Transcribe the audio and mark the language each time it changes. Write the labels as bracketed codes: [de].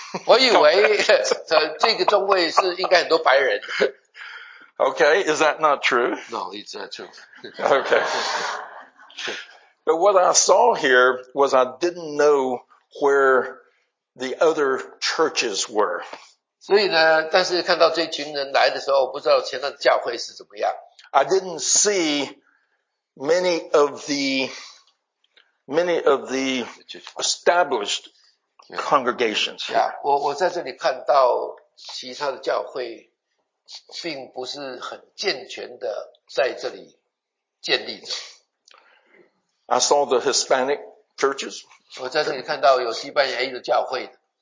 [zh] 我以为这个中会是应该很多白人。 [en] Okay, is that not true? No, it's not true. Okay. But what I saw here was I didn't know where the other churches were. [zh] 所以呢，但是看到这群人来的时候，不知道前面的教会是怎么样。 [en] I didn't see many of the established congregations. Yeah, [zh] 我在这里看到其他的教会并不是很健全的在这里建立着。 [en] I saw the Hispanic churches. [zh] 我在这里看到有西班牙裔的教会的。